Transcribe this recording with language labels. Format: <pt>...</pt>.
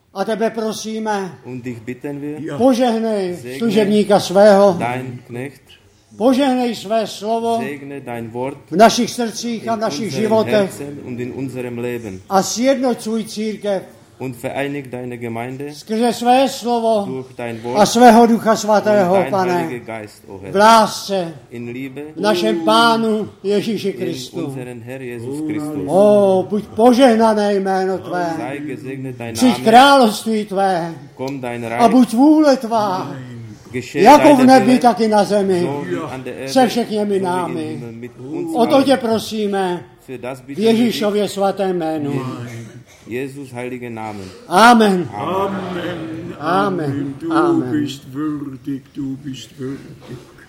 <cs>a tebe prosíme,</cs> <de>und dich bitten wir,</de> <cs>požehnej služebníka svého,</cs> <de>dein Knecht,</de> <cs>požehnej své slovo,</cs> <de>segne dein Wort,</de> <cs>v našich srdcích a v našich životech,</cs> <de>und in unserem Leben,</de> <cs>a sjednoť svůj církev,</cs> <de>und vereinig deine Gemeinde,</de> <cs>skrze své slovo,</cs> <de>durch dein Wort,</de> <cs>a svého ducha svatého, pane,</cs> <de>Geist, oh Herr,</de> <cs>v lásce,</cs> <de>in Liebe,</de> <cs>v našem Pánu Ježíši Kristu. O, buď požehnané jméno tvé, přijď království tvé,</cs> <de>komm dein Reich,</de> <cs>a buď vůle tvá, jako v nebi, tak i na zemi, se všechněmi námi. O to tě prosíme, v Ježíšově svatém jménu.</cs> <de>Jesus heilige Namen. Amen. Amen. Amen. Amen. Du bist würdig, du bist würdig.</de>